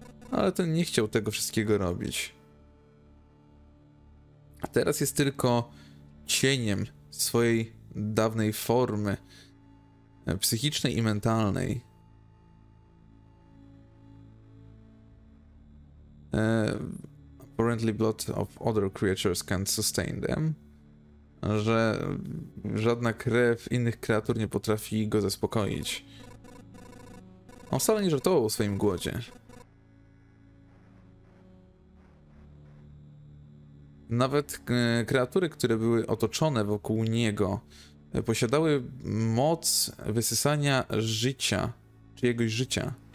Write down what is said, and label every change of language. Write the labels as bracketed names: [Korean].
[Polish] Ale ten nie chciał tego wszystkiego robić. A teraz jest tylko cieniem swojej dawnej formy psychicznej i mentalnej. [English] Apparently blood of other creatures can't sustain them. [Polish] Że żadna krew innych kreatur nie potrafi go zaspokoić. On wcale nie żartował o swoim głodzie. Nawet kreatury, które były otoczone wokół niego, posiadały moc wysysania życia, czyjegoś życia.